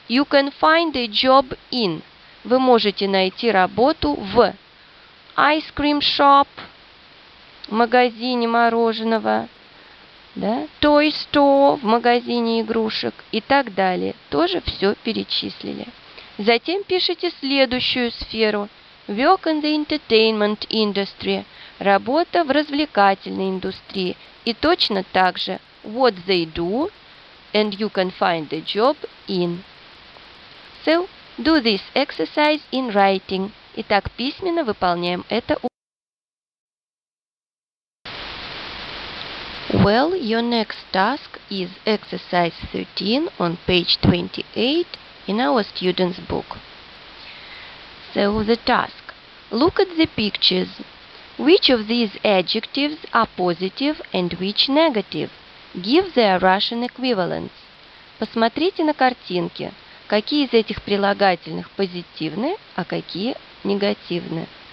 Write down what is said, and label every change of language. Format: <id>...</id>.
<en>You can find a job in –</en> <ru>вы можете найти работу в</ru> <en>ice cream shop –</en> <ru>магазине мороженого, да?</ru> <en>Toy store</en> <ru>– в магазине игрушек и так далее. Тоже все перечислили. Затем пишите следующую сферу.</ru> <en>Work in the entertainment industry.</en> <ru>Работа в развлекательной индустрии. И точно так же.</ru> <en>What they do and you can find the job in. So, do this exercise in writing.</en> <ru>Итак, письменно выполняем это.</ru> <en>Well, your next task is exercise 13 on page 28. In our student's book. So the task. Look at the pictures. Which of these adjectives are positive and which negative? Give their Russian equivalents.</en> <ru>Посмотрите на картинки. Какие из этих прилагательных позитивны, а какие негативны?</ru>